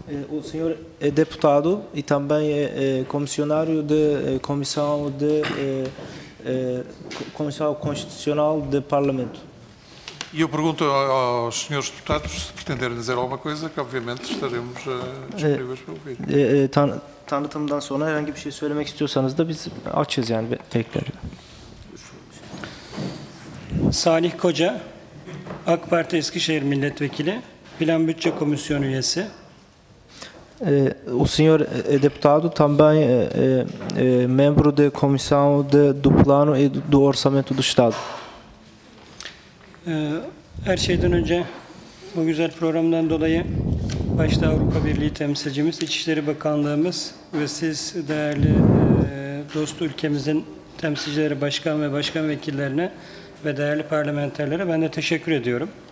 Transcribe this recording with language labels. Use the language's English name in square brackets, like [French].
[Portuguese] O senhor é deputado e também é comissionário de comissão constitucional de parlamento. E eu pergunto aos senhores deputados se pretenderem dizer alguma coisa, que obviamente estaremos disponíveis para ouvir. [Turkish] Tanıtımdan sonra herhangi bir şey söylemek istiyorsanız da biz açız yani tekrar. Salih Koca, AK Parti Eskişehir Milletvekili, Plan Bütçe Komisyonu üyesi. [Portuguese] O senhor deputado também é membro da Comissão do Plano e do Orçamento do Estado. [Turkish] Her şeyden önce bu güzel programdan dolayı başta Avrupa Birliği temsilcimiz, İçişleri Bakanlığımız ve siz değerli dost ülkemizin temsilcileri, başkan ve başkan vekillerine ve değerli parlamenterlere ben de teşekkür ediyorum.